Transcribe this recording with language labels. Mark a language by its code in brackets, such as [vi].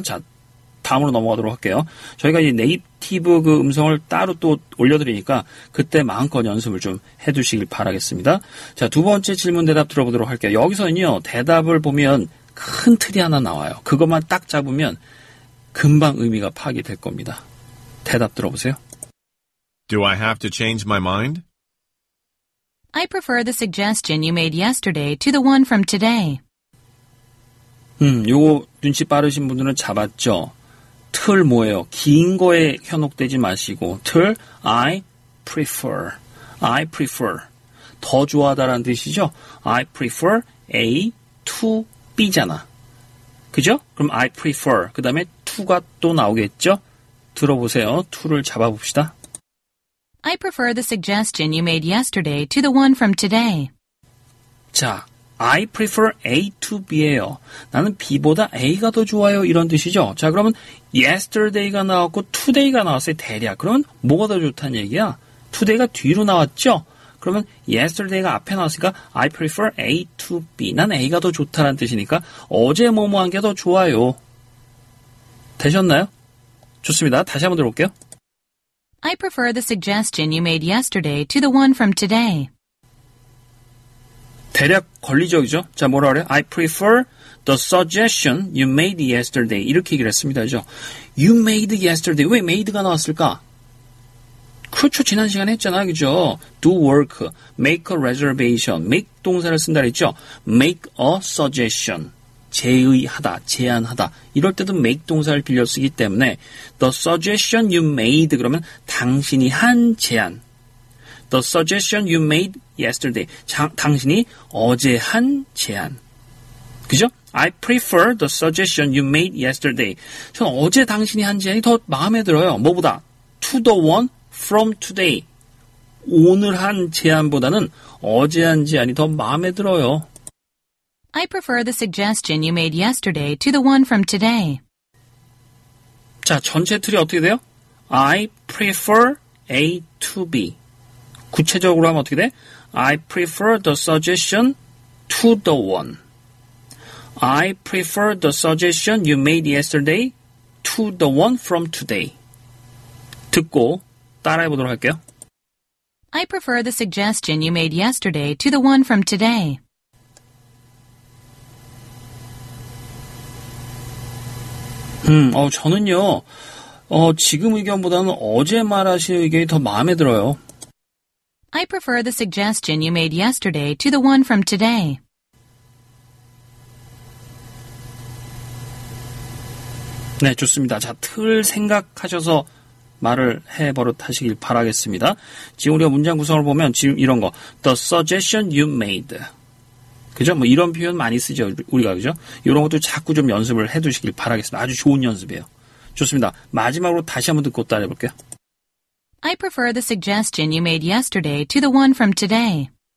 [ko] 자, 다음으로 넘어가도록 할게요. 저희가 이제 네이티브 그 음성을 따로 또 올려드리니까 그때 마음껏 연습을 좀 해두시길 바라겠습니다. 자, 두 번째 질문 대답 들어보도록 할게요. 여기서는요, 대답을 보면 큰 틀이 하나 나와요. 그것만 딱 잡으면 금방 의미가 파악이 될 겁니다. 대답 들어보세요. [en] Do I have to change my mind? I prefer the suggestion you made yesterday to the one from today. [ko] 요거 눈치 빠르신 분들은 잡았죠? 틀 뭐예요? 긴 거에 현혹되지 마시고 틀 [en] I prefer. I prefer. [ko] 더 좋아하다라는 뜻이죠? [en] I prefer A to B잖아. [ko] 그죠? 그럼 [en] I prefer. [ko] 그 다음에 2가 또 나오겠죠? 들어보세요. 2를 잡아봅시다. [en] I prefer the suggestion you made yesterday to the one from today. 자, I prefer A to B예요. [ko] 나는 B보다 A가 더 좋아요. 이런 뜻이죠. 자, 그러면 yesterday가 나왔고 today가 나왔어요. 대략. 그러면 뭐가 더 좋다는 얘기야? today가 뒤로 나왔죠? 그러면 yesterday가 앞에 나왔으니까 [en] I prefer A to B. [ko] 난 A가 더 좋다라는 뜻이니까 어제 뭐뭐한 게 더 좋아요. 되셨나요? 좋습니다. 다시 한번 들어볼게요. [en] I prefer the suggestion you made yesterday to the one from today. 대략 권리적이죠? 자, 뭐라 그래요? I prefer the suggestion you made yesterday. [ko] 이렇게 얘기를 했습니다. 그렇죠? [en] You made yesterday. [ko] 왜 made가 나왔을까? 그렇죠. 지난 시간에 했잖아. 그죠? [en] Do work. Make a reservation. Make [ko] 동사를 쓴다 그랬죠? [en] Make a suggestion. [ko] 제의하다. 제안하다. 이럴 때도 make 동사를 빌려 쓰기 때문에 [en] The suggestion you made. [ko] 그러면 당신이 한 제안. [en] The suggestion you made yesterday. [ko] 당신이 어제 한 제안. 그죠? [en] I prefer the suggestion you made yesterday. [ko] 저는 어제 당신이 한 제안이 더 마음에 들어요. 뭐보다? [en] To the one. From today, [ko] 오늘 한 제안보다는 어제 한 제안이 더 마음에 들어요. [en] I prefer the suggestion you made yesterday to the one from today. [ko] 자, 전체 틀이 어떻게 돼요? [en] I prefer A to B. [ko] 구체적으로 하면 어떻게 돼? [en] I prefer the suggestion to the one. I prefer the suggestion you made yesterday to the one from today. [ko] 듣고 따라해보도록 할게요. [en] I prefer the suggestion you made yesterday to the one from today. [ko] 저는요. 지금 의견보다는 어제 말하신 의견이 더 마음에 들어요. [en] I prefer the suggestion you made yesterday to the one from today. [ko] 네, 좋습니다. 자, 틀 생각하셔서 말을 해버릇 하시길 바라겠습니다. 지금 우리가 문장 구성을 보면 지금 이런 거 [en] The suggestion you made. [ko] 그죠? 뭐 이런 표현 많이 쓰죠. 우리가 그죠? 이런 것도 자꾸 좀 연습을 해두시길 바라겠습니다. 아주 좋은 연습이에요. 좋습니다. 마지막으로 다시 한번 듣고 따라해볼게요. [en] I prefer the suggestion you made yesterday to the one from today.